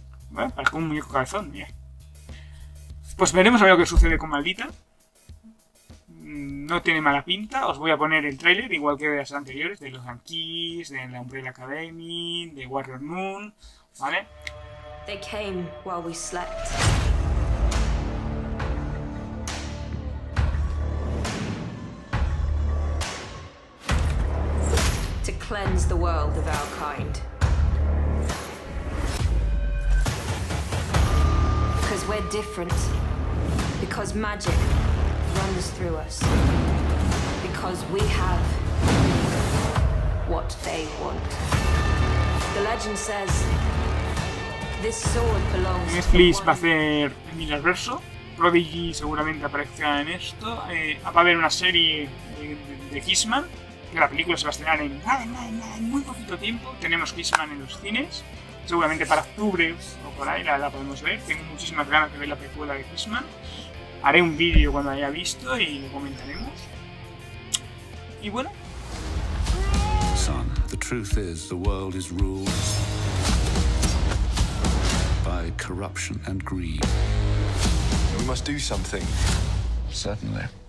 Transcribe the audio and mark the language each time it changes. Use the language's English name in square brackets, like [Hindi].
[Spanish] Bueno, parece un muñeco cabezón, mira. Pues veremos a ver lo que sucede con Maldita. No tiene mala pinta. Os voy a poner el tráiler, igual que de las anteriores, de Los Yankees, de la Umbrella Academy, de Warrior Moon, ¿vale? [English] They came while we slept. To cleanse the world of our kind. Because we're different. Because magic runs through us. Because we have what they want. The legend says this sword belongs. [Spanish] Netflix va a hacer el Millarverso. Prodigy seguramente aparezca en esto. Va a haber una serie de Kissman. Que la película se va a estrenar en muy poquito tiempo. Tenemos Kissman en los cines. Seguramente para octubre o por ahí la podemos ver. Tengo muchísimas ganas de ver la película de Kissman. Haré un vídeo cuando haya visto y lo comentaremos. Y bueno. [English] Son, the truth is the world is ruled by corruption and greed. We must do something. Certainly.